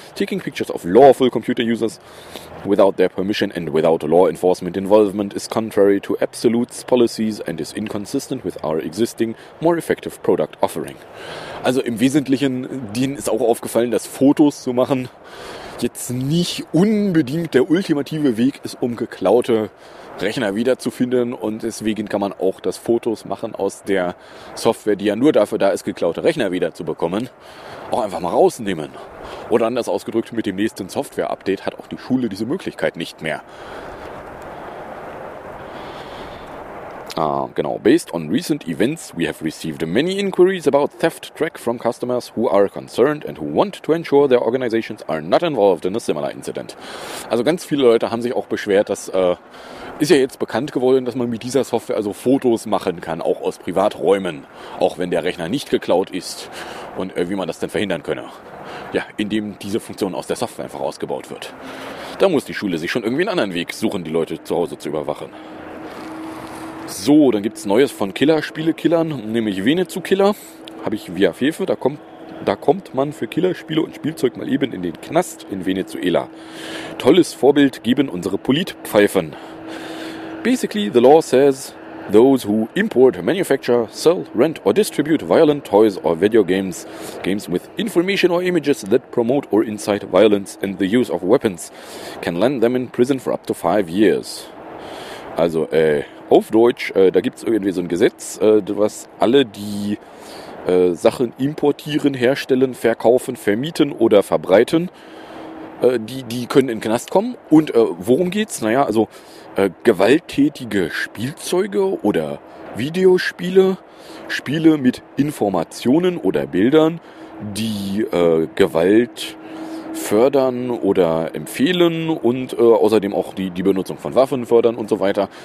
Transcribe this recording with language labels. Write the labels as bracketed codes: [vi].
[en] Taking pictures of lawful computer users without their permission and without law enforcement involvement is contrary to Absolute's policies and is inconsistent with our existing, more effective product offering. [de] Also im Wesentlichen, denen ist auch aufgefallen, dass Fotos zu machen jetzt nicht unbedingt der ultimative Weg ist, um geklaute Rechner wiederzufinden, und deswegen kann man auch das Fotos machen aus der Software, die ja nur dafür da ist, geklaute Rechner wiederzubekommen, auch einfach mal rausnehmen. Oder anders ausgedrückt, mit dem nächsten Software-Update hat auch die Schule diese Möglichkeit nicht mehr. Genau. [en] Based on recent events, we have received many inquiries about theft track from customers who are concerned and who want to ensure their organizations are not involved in a similar incident. [de] Also ganz viele Leute haben sich auch beschwert, dass ist ja jetzt bekannt geworden, dass man mit dieser Software also Fotos machen kann, auch aus Privaträumen, auch wenn der Rechner nicht geklaut ist, und wie man das denn verhindern könne. Ja, indem diese Funktion aus der Software einfach ausgebaut wird. Da muss die Schule sich schon irgendwie einen anderen Weg suchen, die Leute zu Hause zu überwachen. So, dann gibt's Neues von Killerspiele-Killern, nämlich Venezu-Killer. Habe ich via Fefe. Da kommt man für Killerspiele und Spielzeug mal eben in den Knast in Venezuela. Tolles Vorbild geben unsere Politpfeifen. [en] Basically, the law says those who import, manufacture, sell, rent or distribute violent toys or video games, games with information or images that promote or incite violence and the use of weapons, can land them in prison for up to 5 years. [de] Also, auf Deutsch, da gibt es irgendwie so ein Gesetz, was alle, die Sachen importieren, herstellen, verkaufen, vermieten oder verbreiten, die können in den Knast kommen. Und worum geht's? Naja, also gewalttätige Spielzeuge oder Videospiele, Spiele mit Informationen oder Bildern, die Gewalt fördern oder empfehlen und außerdem auch die Benutzung von Waffen fördern und so weiter.